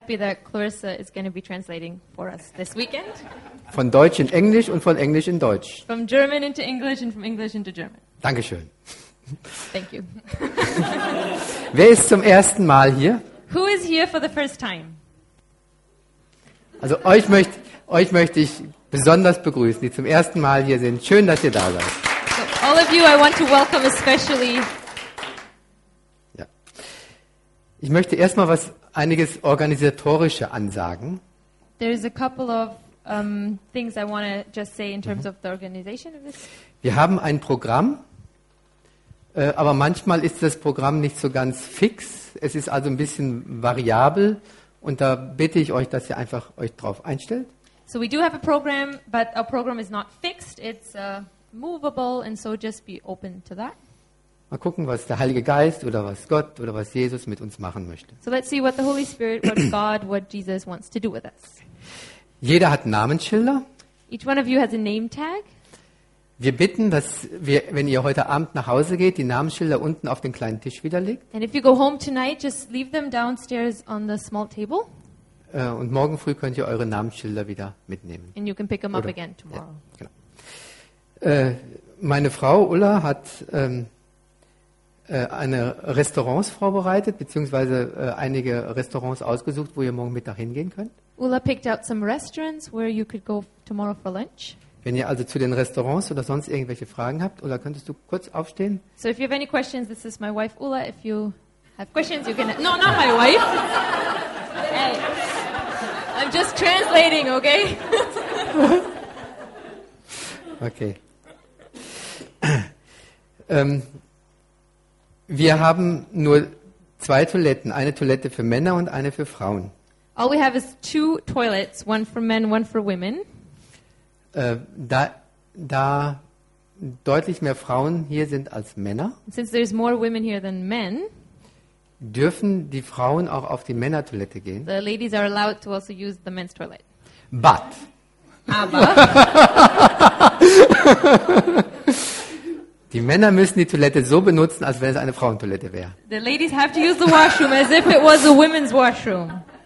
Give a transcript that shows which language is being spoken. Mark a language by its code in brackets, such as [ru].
[en] happy that Clarissa is going to be translating for us this weekend. [de] Von Deutsch in Englisch und von Englisch in Deutsch. [en] From German into English and from English into German. [de] Dankeschön. [en] Thank you. [de] Wer ist zum ersten Mal hier? [en] Who is here for the first time? [de] Also euch möchte ich besonders begrüßen, die zum ersten Mal hier sind. Schön, dass ihr da seid. [en] So all of you, I want to welcome especially. [de] Ja. Ich möchte erstmal was einiges organisatorische ansagen. [en] There is a couple of things I want to just say in terms of the organization of this. [de] Wir haben ein Programm, aber manchmal ist das Programm nicht so ganz fix. Es ist also ein bisschen variabel und da bitte ich euch, dass ihr einfach euch drauf einstellt. [en] So we do have a program, but our program is not fixed. It's movable and so just be open to that. [de] Mal gucken, was der Heilige Geist oder was Gott oder was Jesus mit uns machen möchte. [en] So let's see what the Holy Spirit, what God, what Jesus wants to do with us. [de] Jeder hat Namensschilder. [en] Each one of you has a name tag. [de] Wir bitten, dass wir, wenn ihr heute Abend nach Hause geht, die Namensschilder unten auf den kleinen Tisch wiederlegt. [en] And if you go home tonight, just leave them downstairs on the small table. [de] Und morgen früh könnt ihr eure Namensschilder wieder mitnehmen. [en] And you can pick them up again tomorrow. [de] Ja, genau. Meine Frau Ulla hat eine Restaurants vorbereitet, beziehungsweise einige Restaurants ausgesucht, wo ihr morgen Mittag hingehen könnt. [en] Ulla picked out some restaurants where you could go tomorrow for lunch. [de] Wenn ihr also zu den Restaurants oder sonst irgendwelche Fragen habt, Ulla, könntest du kurz aufstehen? [en] So if you have any questions, this is my wife Ulla. If you have questions, you can... No, not my wife. Hey, I'm just translating, okay? Okay. [de] Wir haben nur zwei Toiletten, eine Toilette für Männer und eine für Frauen. [en] All we have is two toilets, one for men, one for women. [de] Da deutlich mehr Frauen hier sind als Männer. [en] Since there's more women here than men, [de] dürfen die Frauen auch auf die Männertoilette gehen? [en] The ladies are allowed to also use the men's toilet. But. [de] Die Männer müssen die Toilette so benutzen, als wenn es eine Frauentoilette wäre. [en] The ladies have to use the washroom as if it was a women's washroom.